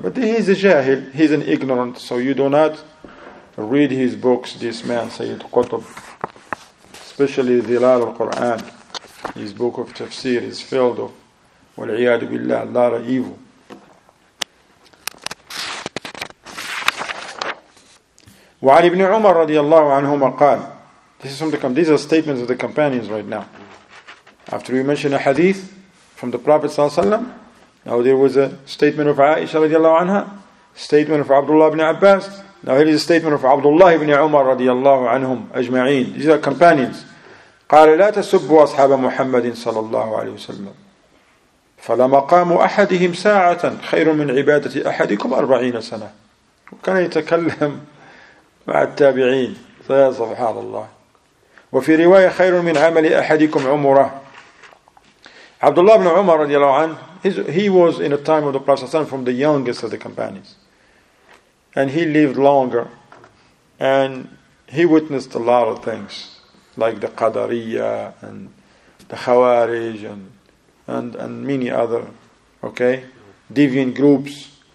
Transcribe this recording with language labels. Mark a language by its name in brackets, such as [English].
[English] But he's a jahil, he's an ignorant, so you do not read his books, this man, Sayyid Qutb. Especially Dhilal al-Qur'an, his book of tafsir is filled of wal-iyadu billah, a lot of evil. [Arabic] وعلي بن عمر رضي الله عنهما قال. [English] This is from the companions. These are statements of the companions right now. After we mention a hadith from the Prophet sallallahu alaihi wasallam, now there was a statement of Aisha [Arabic] رضي الله عنها, [English] statement of Abdullah ibn Abbas. Now here is a statement of Abdullah ibn Umar [Arabic] رضي الله عنهم أجمعين. [English] These are companions. [Arabic] قال لا تسبوا أصحاب محمد صلى الله عليه وسلم. فلمقام أحدهم ساعة خير من عبادة أحدكم 40 سنة. وكان يتكلم مع التابعين سبحان الله. وفي رواية خير من عمل أحدكم عمره. عبد الله بن عمر رضي الله عنه, [English] he was in a time of the Prophet ﷺ from the youngest of the companions, and he lived longer, and he witnessed a lot of things like the Qadariya and the Khawarij and many other, okay, deviant groups.